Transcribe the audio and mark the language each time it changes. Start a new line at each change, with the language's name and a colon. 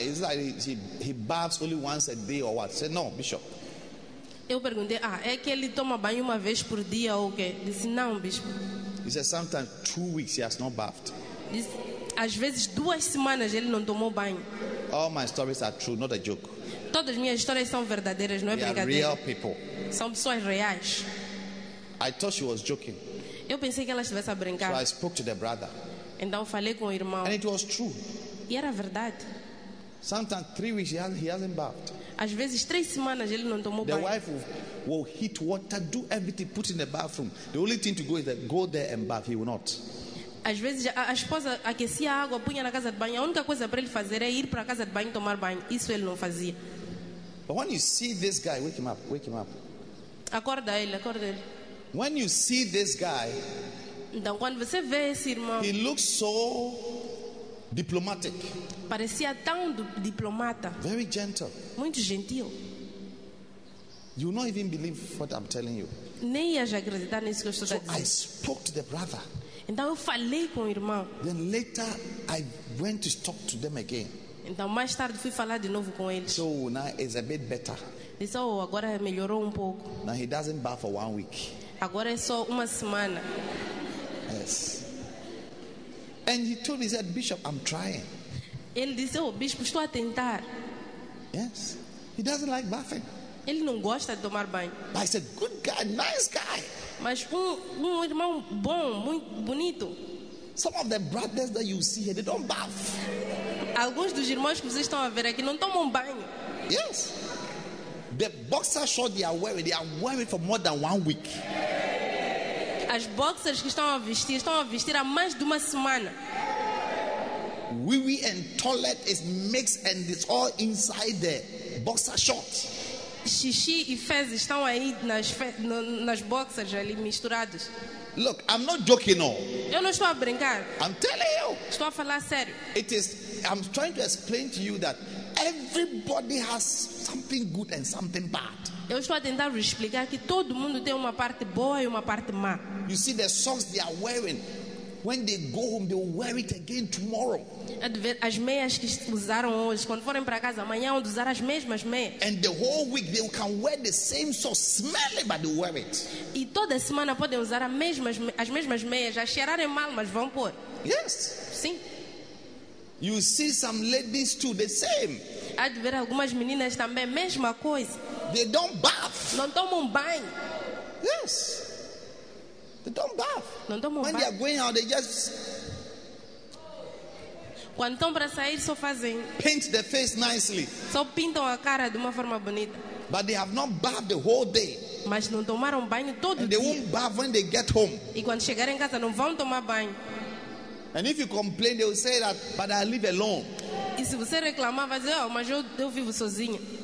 English: Is that he baths only once a day or what?" I said, "No, bishop."
Portuguese: Eu perguntei, é que ele toma banho uma vez por dia ou quê? Disse, não, bispo.
English: He said, "Sometimes 2 weeks he has not bathed."
Portuguese: Disse, às vezes 2 semanas ele não tomou banho.
English: All my stories are true, not a joke.
Portuguese: Todas as minhas histórias são verdadeiras, não é brincadeira. São pessoas reais.
English: I thought she was joking.
Portuguese: Eu pensei que ela estivesse a brincar.
English: So I spoke to the brother.
Portuguese: Então falei com o irmão.
English: And it was true.
Portuguese: E era verdade.
English: Sometimes 3 weeks he hasn't bathed.
Portuguese: Às vezes 3 semanas ele não tomou banho.
English: The wife will heat water, do everything, put in the bathroom. The only thing to go is that go there and bath. He will not.
Portuguese: Às vezes a esposa aquecia a água, punha na casa de banho. A única coisa para ele fazer é ir para a casa de banho tomar banho. Isso ele não fazia.
English: But when you see this guy, wake him up, wake him up.
Portuguese: Acorda ele, acorda ele.
English: When you see this guy,
Portuguese: então quando você vê esse irmão,
English: he looks so diplomatic.
Portuguese: Parecia tão diplomata.
English: Very gentle.
Portuguese: Muito gentil.
English: You will not even believe what I'm telling you.
Portuguese: Nem ias acreditar nisso que eu estou
English: so
Portuguese: a dizer.
English: I spoke to the brother.
Portuguese: Então eu falei com o irmão.
English: Then later I went to talk to them again.
Portuguese: Então mais tarde fui falar de novo com eles.
English: So now it's a bit better.
Portuguese: Disse, agora melhorou pouco.
English: Now he doesn't bath for 1 week.
Portuguese: Agora é só 1 semana.
English: Yes. And he told me, he said, "Bishop, I'm trying."
Portuguese: Ele disse, bispo, estou a tentar.
English: Yes. He doesn't like bathing.
Portuguese: Ele não gosta de tomar banho.
English: But he's a good guy, nice guy.
Portuguese: Mas irmão bom, muito bonito.
English: Some of the brothers that you see here, they don't bath.
Portuguese: Alguns dos irmãos que vocês estão a ver aqui não tomam banho.
English: Yes. The boxer shorts they are wearing for more than 1 week.
Portuguese: As boxers que estão a vestir há mais de 1 semana.
English: Wee and toilet is mixed and it's all inside the boxer shorts.
Portuguese: Xixi e fezes estão aí nas boxers ali misturados.
English: Look, I'm not joking, no.
Portuguese: Eu não estou a brincar.
English: I'm telling you.
Portuguese: Estou a falar sério.
English: It is. I'm trying to explain to you that everybody has something good and something bad.
Portuguese: Eu estou a tentar explicar que todo mundo tem uma parte boa e uma parte má.
English: You see the socks they are wearing. When they go home, they will wear it again tomorrow.
Portuguese: As meias que usaram hoje, quando forem para casa amanhã, vão usar as mesmas meias.
English: And the whole week they can wear the same socks, smelly, but they wear it.
Portuguese: E toda semana podem usar as mesmas meias, a cheirarem mal, mas vão pôr.
English: Yes.
Portuguese: Sim.
English: You see some ladies too, the same.
Portuguese: há de ver algumas meninas também, mesma coisa.
English: They don't bath.
Portuguese: Não tomam banho.
English: Yes. They don't bath.
Portuguese: Não tomam banho.
English: When they are going out, they just...
Portuguese: Quando estão para sair, só fazem...
English: Paint their face nicely.
Portuguese: Só pintam a cara de uma forma bonita.
English: But they have not bathed the whole day.
Portuguese: Mas não tomaram banho todo
English: And they won't bath when they get home.
Portuguese: E quando chegarem em casa, não vão tomar banho.
English: And if you complain, they will say that, but I live alone.
Portuguese: E se você reclamar, vai dizer, oh, mas eu vivo sozinha.